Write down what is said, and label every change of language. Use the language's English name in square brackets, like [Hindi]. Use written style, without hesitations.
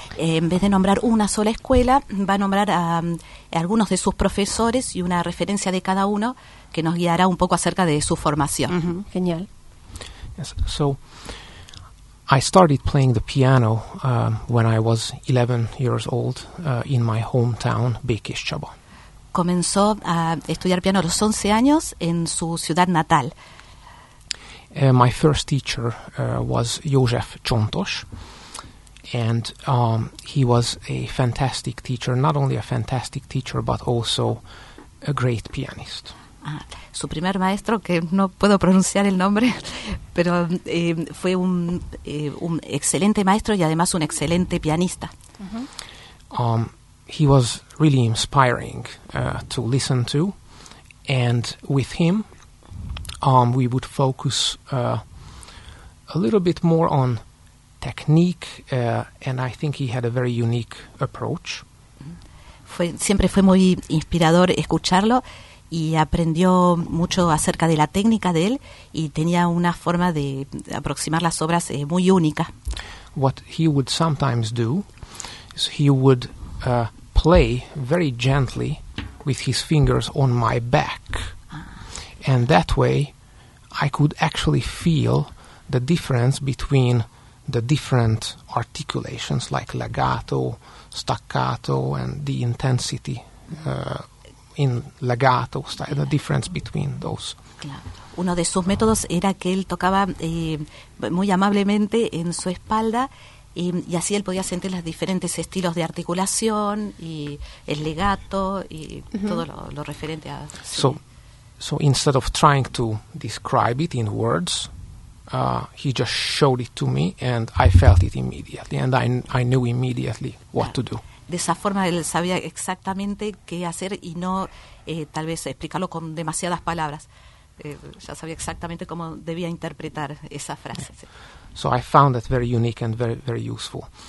[Spanish] En vez de nombrar una sola escuela, va a nombrar a algunos de sus profesores y una referencia de cada uno que nos guiará un poco acerca de su formación. Mm-hmm. Genial. [English] Yes. So, I started playing the piano when I was 11 years old in my hometown, Békéscsaba. [Spanish] Comenzó a estudiar piano a los 11 años en su ciudad natal. [English] My first teacher was József Csontos, and he was a fantastic teacher, not only a fantastic teacher, but also a great pianist. [Spanish] Su primer maestro, que no puedo pronunciar el nombre, pero fue un excelente maestro y además un excelente pianista. Mm-hmm. [English] He was really inspiring to listen to, and with him we would focus a little bit more on technique, and I think he had a very unique approach. [Spanish] Siempre fue muy inspirador escucharlo, y aprendió mucho acerca de la técnica de él, y tenía una forma de aproximar las obras muy única. [English] What he would sometimes do is he would play very gently with his fingers on my back. And that way I could actually feel the difference between the different articulations like legato, staccato, and the intensity in legato style, the difference between those. [Spanish] Uno de sus métodos era que él tocaba muy amablemente en su espalda, y así él podía sentir los diferentes estilos de articulación y el legato y mm-hmm. todo lo referente a... Sí. [English] So instead of trying to describe it in words, he just showed it to me and I felt it immediately and I knew immediately what to do. [Spanish] De esa forma él sabía exactamente qué hacer y no tal vez explicarlo con demasiadas palabras. Ya sabía exactamente cómo debía interpretar esa frase. [English] Yeah. Sí. So I found that very unique and very, very useful.